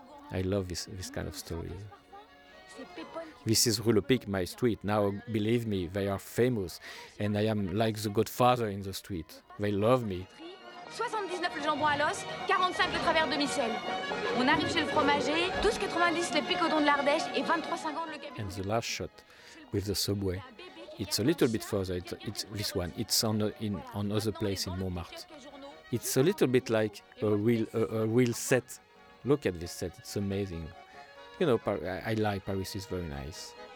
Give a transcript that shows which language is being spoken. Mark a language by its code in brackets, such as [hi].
[en] I love this kind of story. This is Rue Le Pic, my street. Now, believe me, they are famous. And I am like the godfather in the street. They love me. [fr] 79 le jambon à l'os, 45 le travers de Michel. On arrive chez le fromager, 12,90 le picodon de l'Ardèche et 23,50 le cabinet. [en] And the last shot with the subway. It's a little bit further, it's this one. It's on another place in Montmartre. It's a little bit like a real set. Look at this set, it's amazing. You know, I like Paris, is very nice.